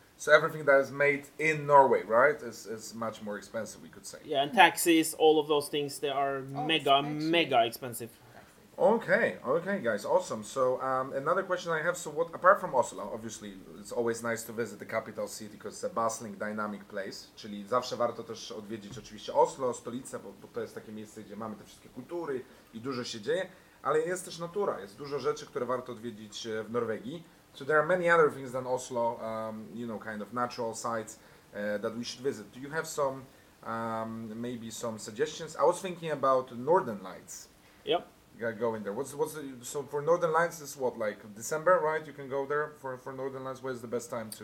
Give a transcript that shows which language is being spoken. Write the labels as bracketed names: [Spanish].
[English] So everything that is made in Norway, right, is much more expensive, we could say. Yeah, and taxis, all of those things, they are mega expensive. Okay, guys, awesome. So another question I have, so what, apart from Oslo, obviously, it's always nice to visit the capital city because it's a bustling, dynamic place. [Polish] Czyli zawsze warto też odwiedzić oczywiście Oslo, stolicę, bo to jest takie miejsce, gdzie mamy te wszystkie kultury i dużo się dzieje, ale jest też natura, jest dużo rzeczy, które warto odwiedzić w Norwegii. [English] So there are many other things than Oslo, you know, kind of natural sites that we should visit. Do you have some, maybe some suggestions? I was thinking about Northern Lights. Yep. Go in there. So for Northern Lights is what, like December, right? You can go there for Northern Lights. Where is the best time to?